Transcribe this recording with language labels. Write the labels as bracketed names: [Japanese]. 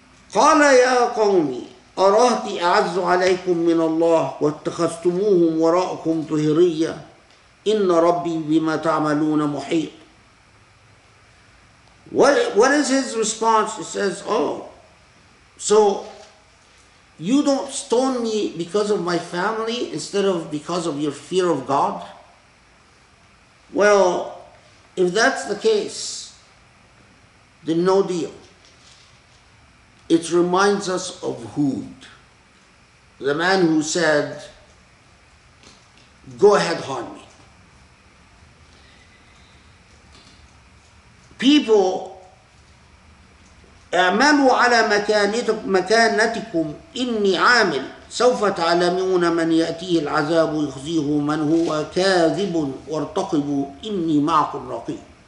[Arabic] قال يا قومي أراهتي أعز عليكم من الله واتخذتموهم وراءكم ظهريا إن ربي بما تعملون محيط. [English] What is his response? He says, oh, so you don't stone me because of my family instead of because of your fear of God? Well, if that's the case, then no deal. It reminds us of Hud, the man who said, go ahead, harm me. People, [Arabic] اعملوا على مكانتكم إني عامل سوف تعلمون من يأتيه العذاب يخزيه من هو كاذب وارتقبوا إني معكم رقيب.